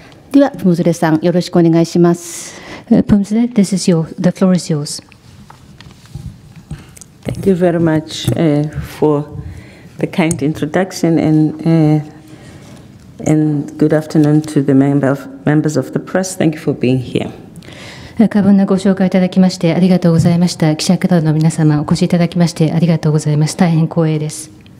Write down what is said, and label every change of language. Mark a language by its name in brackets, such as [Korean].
[Japanese] では、プムズレさん、よろしくお願いします。 [English] プムズレ、this is your, the floor is yours. Thank you very much for the kind introduction and good afternoon to the members of the press. Thank you for being here. [Japanese] 過分なご紹介いただきましてありがとうございました。記者方の皆様お越しいただきましてありがとうございます。大変光栄です。